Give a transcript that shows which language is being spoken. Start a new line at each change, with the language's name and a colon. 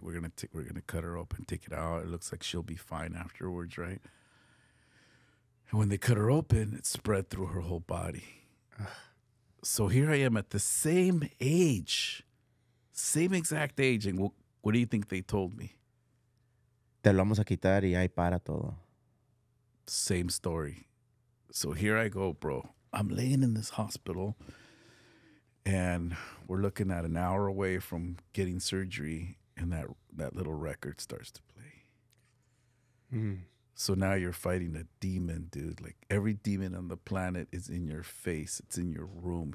English: We're going to cut her open, take it out. It looks like she'll be fine afterwards, right? And when they cut her open, it spread through her whole body. So here I am at the same age, same exact age. And what do you think they told me?
Spanish: Te lo vamos a quitar y ahí para todo.
English: Same story. So here I go, bro. I'm laying in this hospital. And we're looking at an hour away from getting surgery, and that little record starts to play. Mm. So now you're fighting a demon, dude. Like, every demon on the planet is in your face. It's in your room.